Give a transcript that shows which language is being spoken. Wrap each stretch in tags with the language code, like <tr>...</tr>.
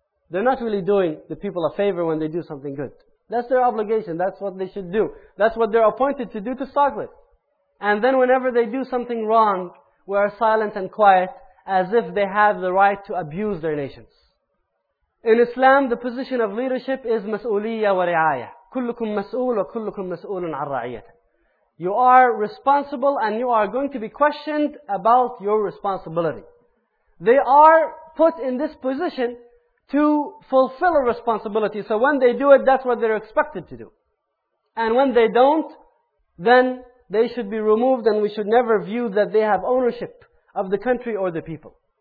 <en>They're not really doing the people a favor when they do something good. That's their obligation. That's what they should do. That's what they're appointed to do to start with. And then whenever they do something wrong, we are silent and quiet as if they have the right to abuse their nations. In Islam, the position of leadership is</en> <ar>مَسْؤُولِيَّ وَرِعَايَةً كُلُّكُمْ مَسْؤُولُ وَكُلُّكُمْ مَسْؤُولٌ عَنْ رَعِيَةً.</ar> <en>You are responsible and you are going to be questioned about your responsibility. They are put in this position to fulfill a responsibility. So when they do it, that's what they're expected to do. And when they don't, then they should be removed and we should never view that they have ownership of the country or the people.</en>